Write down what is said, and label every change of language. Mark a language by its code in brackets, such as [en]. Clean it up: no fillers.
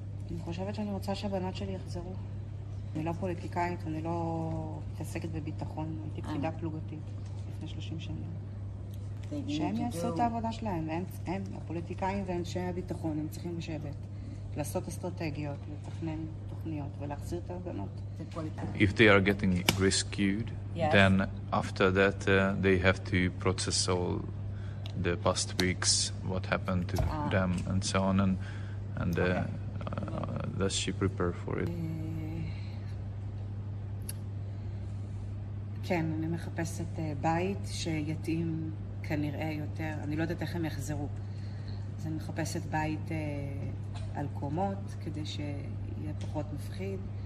[he] אני חושבת שאני רוצה שהבנות שלי יחזרו. אני לא פוליטיקאית, אני לא מתעסקת בביטחון, הייתי פקידה פלוגתית לפני 30 שנים. שהם יעשו את העבודה שלהם, הם הפוליטיקאים ואנשי הביטחון, הם צריכים לשבת, לעשות אסטרטגיות, לתכנן תוכניות ולהחזיר את ההגנות. [en] If they are getting rescued, then after that they have to process all the past weeks, what happened to them and so on, and does she prepare for it? [he] כן, אני מחפשת בית שיתאים כנראה יותר, אני לא יודעת איך הם יחזרו. אז אני מחפשת בית על קומות כדי שיהיה פחות מפחיד.